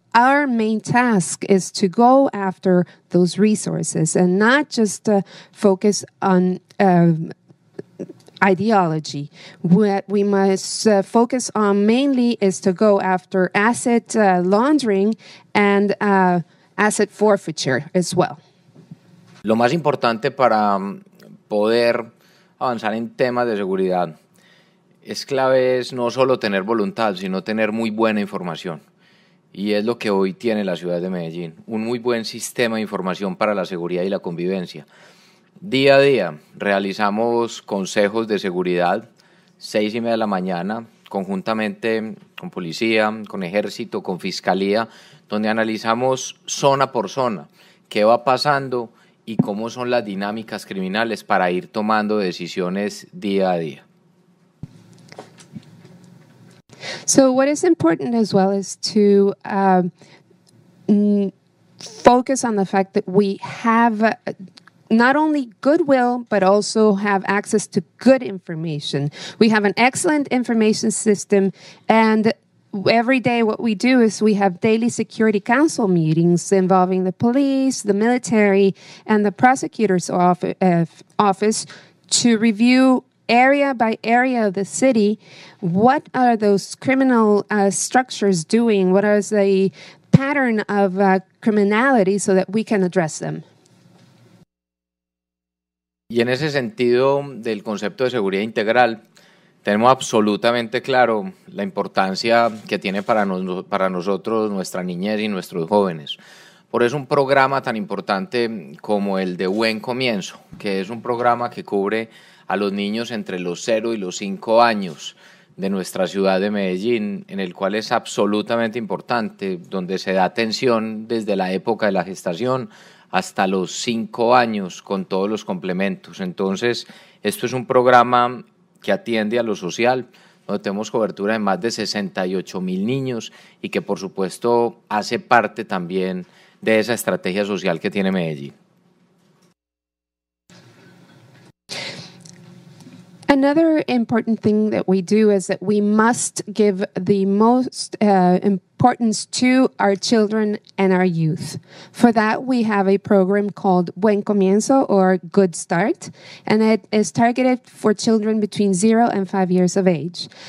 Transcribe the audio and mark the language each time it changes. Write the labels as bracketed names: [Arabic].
[English] our main task is to go after those resources and not just focus on ideology. What we must focus on mainly is to go after asset laundering and asset forfeiture as well. [Spanish] Lo más importante para poder avanzar en temas de seguridad es clave es no solo tener voluntad, sino tener muy buena información. Y es lo que hoy tiene la ciudad de Medellín, un muy buen sistema de información para la seguridad y la convivencia. Día a día realizamos consejos de seguridad, 6:30 a.m, conjuntamente con policía, con ejército, con fiscalía, donde analizamos zona por zona qué va pasando y cómo son las dinámicas criminales para ir tomando decisiones día a día. [English] So what is important as well is to focus on the fact that we have not only goodwill, but also have access to good information. We have an excellent information system, and every day what we do is we have daily security council meetings involving the police, the military, and the prosecutor's office to review area by area of the city, what are those criminal structures doing? What is the pattern of criminality so that we can address them? [Spanish] Y en ese sentido del concepto de seguridad integral, tenemos absolutamente claro la importancia que tiene para nosotros, nuestra niñez y nuestros jóvenes. Por eso un programa tan importante como el de Buen Comienzo, que es un programa que cubre a los niños entre los 0 y los 5 años de nuestra ciudad de Medellín, en el cual es absolutamente importante, donde se da atención desde la época de la gestación hasta los 5 años con todos los complementos. Entonces, esto es un programa que atiende a lo social, donde tenemos cobertura de más de 68,000 niños y que, por supuesto, hace parte también de esa estrategia social que tiene Medellín. [English] Another important thing that we do is that we must give the most importance to our children and our youth. For that, we have a program called Buen Comienzo or Good Start, and it is targeted for children between 0 and 5 years of age.